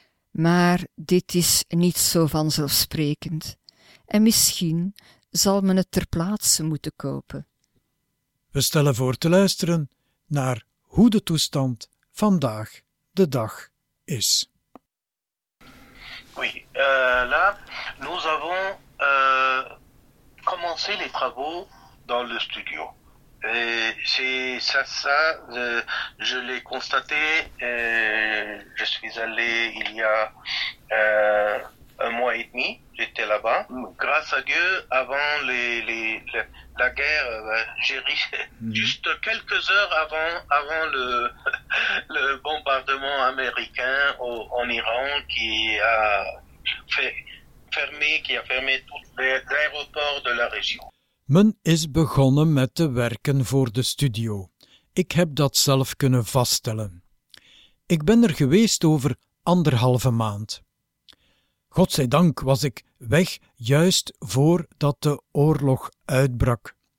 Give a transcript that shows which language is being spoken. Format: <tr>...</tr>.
<nl>Maar dit is niet zo vanzelfsprekend. En misschien zal men het ter plaatse moeten kopen. We stellen voor te luisteren naar hoe de toestand vandaag de dag is.</nl> <fr>Oui, là, nous avons commencé les travaux dans le studio. Je l'ai constaté, je suis allé il y a un mois et demi, j'étais là-bas. Grâce à Dieu, avant la guerre, juste quelques heures avant le bombardement américain en Iran qui a fermé tous les aéroports de la région.</fr> <nl>Men is begonnen met te werken voor de studio. Ik heb dat zelf kunnen vaststellen. Ik ben er geweest over anderhalve maand. Godzijdank was ik weg juist voordat de oorlog uitbrak.</nl>